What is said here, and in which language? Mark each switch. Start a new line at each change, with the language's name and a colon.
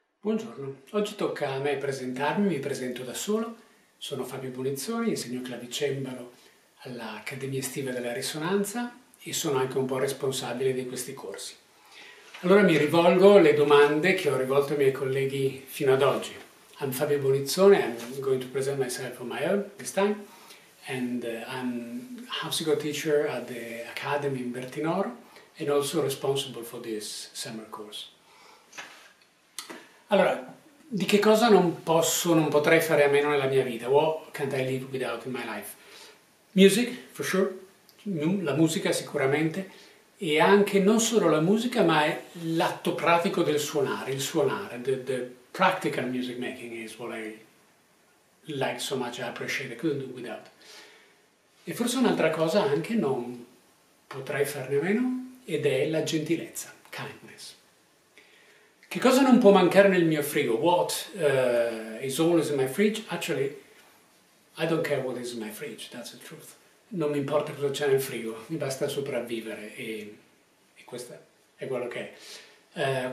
Italian: Buongiorno, oggi tocca a me presentarmi, mi presento da solo, sono Fabio Bonizzoni, insegno clavicembalo all'Accademia Estiva della Risonanza e sono anche un po' responsabile di questi corsi. Allora mi rivolgo alle domande che ho rivolto ai miei colleghi fino ad oggi.
English: I'm Fabio Bonizzoni, I'm going to present myself on my own this time, and I'm Hapsico teacher at the Academy in Bertinoro and also responsible for this summer course.
Italian: Allora, di che cosa non posso, non potrei fare a meno nella mia vita?
English: What can't I live without in my life? Music, for sure,
Italian: la musica sicuramente, e anche non solo la musica, ma l'atto pratico del suonare, il suonare,
English: the practical music making is what I like so much, I appreciate, I couldn't do without. E forse un'altra cosa anche non potrei farne a meno, ed è la gentilezza, kindness.
Italian: Che cosa non può mancare nel mio frigo?
English: What is always in my fridge? Actually, I don't care what is in my fridge, that's the truth.
Italian: Non mi importa cosa c'è nel frigo, mi basta sopravvivere e questo è quello che è.